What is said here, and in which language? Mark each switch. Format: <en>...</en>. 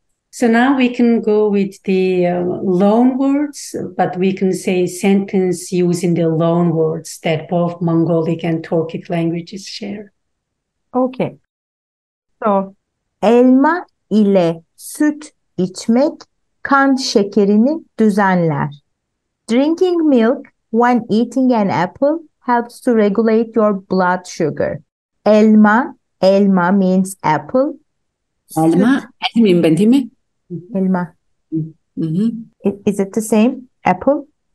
<en>So now we can go with the loan words, but we can say sentence using the loan words that both Mongolic and Turkic languages share. Okay.</en> <tr>So, elma ile süt içmek kan şekerini düzenler.</tr> <en>Drinking milk when eating an apple helps to regulate your blood sugar. Elma, elma means apple.</en> <tr>Elma, elmiyim ben değil mi? Elma. Mm-hmm.</tr> <en>Is it the same? Apple?</en>